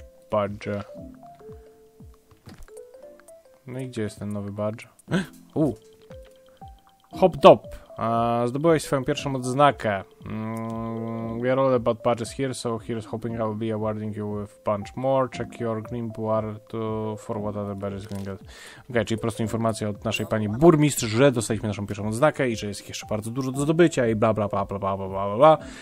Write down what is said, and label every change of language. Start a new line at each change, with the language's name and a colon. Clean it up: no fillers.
English: Badge.
Polish: No i gdzie jest ten nowy badge? Hop top! Zdobyłeś swoją pierwszą odznakę.
English: We are all about badges here, so here's hoping I'll be awarding you with a bunch more. Check your grimoire to for what other badges can get.
Polish: Okej, czyli po prostu informacja od naszej pani burmistrz, że dostaliśmy naszą pierwszą odznakę i że jest jeszcze bardzo dużo do zdobycia i bla bla bla bla bla bla bla bla.